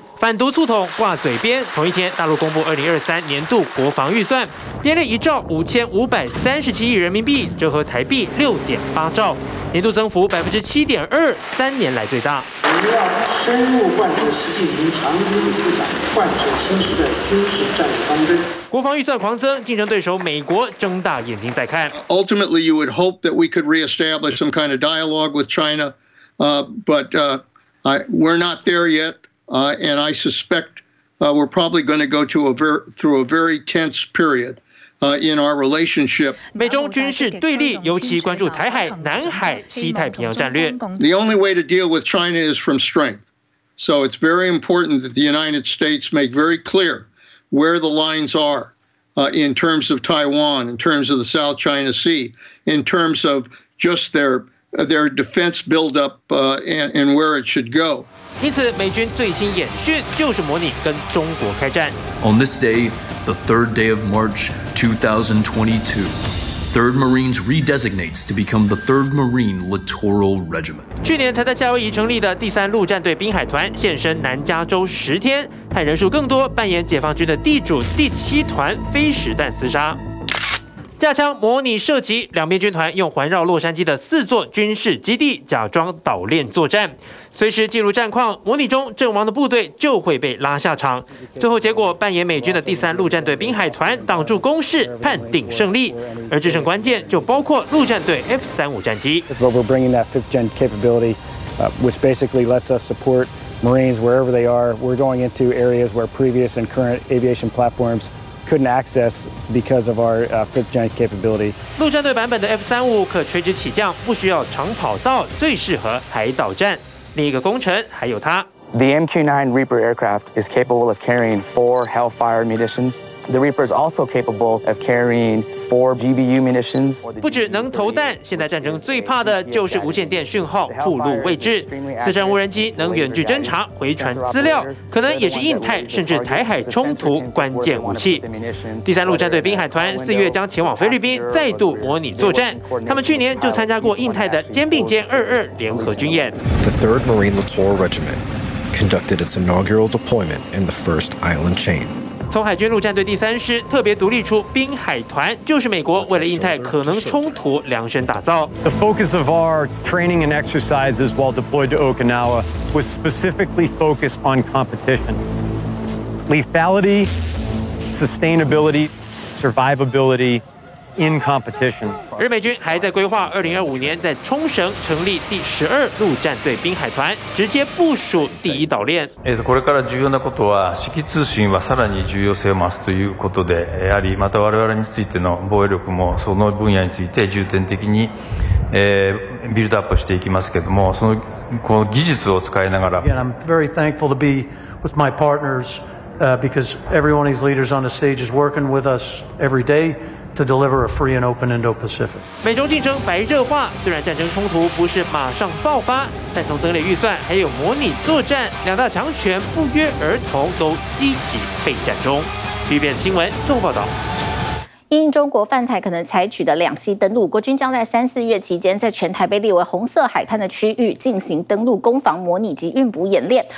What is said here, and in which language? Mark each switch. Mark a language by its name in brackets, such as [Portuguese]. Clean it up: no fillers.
[Chinese] 反独促统挂嘴边，同一天，大陆公布2023年度国防预算，编列1兆5537亿人民币，折合台币6.8兆，年度增幅7.2%，三年来最大。我们要深入贯彻习近平长征思想，贯彻新时代军事战略方针。国防预算狂增，竞争对手美国睁大眼睛在看。 [English] Ultimately, you would hope that we could reestablish some kind of dialogue with China, we're not there yet. And I suspect we're probably going to go to through a very tense period in our relationship. [Chinese] 美中军事对立，尤其关注台海、南海、西太平洋战略。 [English] The only way to deal with China is from strength. So it's very important that the United States make very clear where the lines are in terms of Taiwan, in terms of the South China Sea, in terms of just their defense buildup and where it should go. [Chinese] 因此，美军最新演训就是模拟跟中国开战。 [English] On this day, the third day of March 2022, 3rd Marines redesignates to become the 3rd Marine Littoral Regiment. [Chinese] 去年才在夏威夷成立的第三陆战队滨海团现身南加州十天，和人数更多扮演解放军的地主第七团飞实弹厮杀。架枪模拟射击，两边军团用环绕洛杉矶的四座军事基地假装岛链作战，随时进入战况，模拟中阵亡的部队就会被拉下场。最后结果扮演美军的第三陆战队滨海团挡住攻势，判定胜利。而制胜关键就包括陆战队 F-35 战机。 [English] We're bringing that fifth gen capability, which basically lets us support Marines wherever they are. We're going into areas where previous and current aviation platformsCouldn't access because of our fifth gen capability. [Chinese] 陆战队版本的 F-35 可垂直起降，不需要长跑道，最适合海岛战。另一个工程还有它。 [English] The MQ-9 Reaper aircraft is capable of carrying 4 Hellfire munitions. The Reaper is also capable of carrying 4 GBU munitions. [Chinese] 不只能投弹，现在战争最怕的就是无线电讯号暴露位置。四神无人机能远距侦察、回传资料，可能也是印太甚至台海冲突关键武器。第三陆战队滨海团四月将前往菲律宾再度模拟作战，他们去年就参加过印太的肩并肩22联合军演。 [English] The 3rd Marine Littoral Regiment. Conducted its inaugural deployment in the first island chain. [Chinese] 从海军陆战队第三师特别独立出滨海团，就是美国为了印太可能冲突量身打造。 [English] The focus of our training and exercises while deployed to Okinawa was specifically focused on competition, lethality, sustainability, survivability. In competition. [Chinese] 而美军还在规划2025年在冲绳成立第12陆战队滨海团，直接部署第一岛链。 [Japanese] これから重要なことは、指揮通信はさらに重要性を増すということで、やはりまた我々についての防衛力もその分野について重点的に、ビルドアップしていきますけれども、その、この技術を使いながら。 [English] Again, I'm very thankful to be with my partners, because every one of these leaders on the stage is working with us every day. To deliver a free and open Indo-Pacific. [Chinese] 美中竞争白热化，虽然战争冲突不是马上爆发，但从增列预算还有模拟作战，两大强权不约而同都积极备战中。 TVBS 新闻综合报道。因中国泛台可能采取的两栖登陆，国军将在三四月期间在全台被列为红色海滩的区域进行登陆攻防模拟及运补演练。